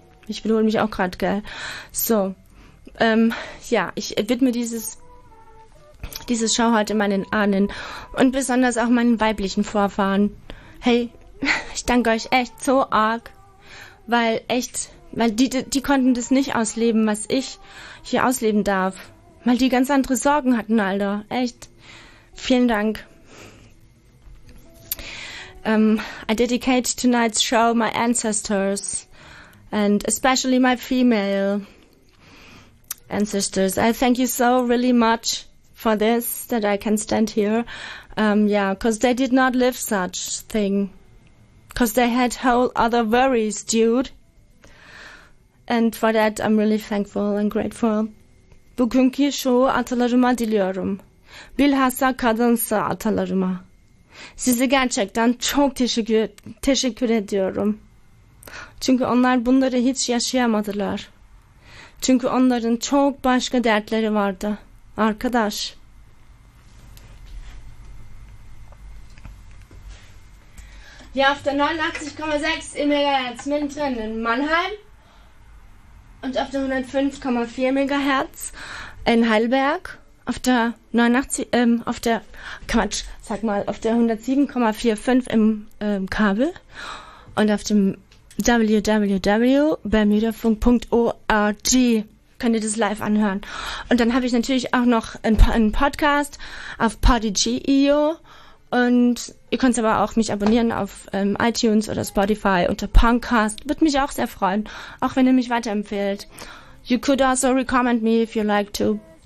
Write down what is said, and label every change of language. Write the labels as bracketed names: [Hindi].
[German] Ich wiederhole mich auch gerade, gell? So, ich widme diese Show heute meinen Ahnen und besonders auch meinen weiblichen Vorfahren. Hey, ich danke euch echt so arg, weil die konnten das nicht ausleben, was ich hier ausleben darf. Weil die ganz andere Sorgen hatten, Alter. Echt. Vielen Dank. [English] I dedicate tonight's show my ancestors. And especially my female ancestors. I thank you so really much for this, that I can stand here. Because they did not live such thing. Because they had whole other worries, dude. And for that, I'm really thankful and grateful. [Turkish] Bugünkü şu atalarıma diliyorum. Bilhassa kadınsa atalarıma. Size gerçekten çok teşekkür ediyorum. Çünkü onlar bunları hiç yaşayamadılar. Çünkü onların çok başka dertleri vardı. Arkadaş. [German] Ja, auf der 89,6 MHz mittendrin in Mannheim. Und auf der 105,4 MHz in Heidelberg, auf der 107,45 im Kabel und auf dem www.bermudafunk.org könnt ihr das live anhören. Und dann habe ich natürlich auch noch einen Podcast auf Podigee.io und ihr könnt aber auch mich abonnieren auf iTunes oder Spotify unter Punkcast. Würde mich auch sehr freuen, auch wenn ihr mich weiterempfehlt. [English] You could also recommend me if you like to.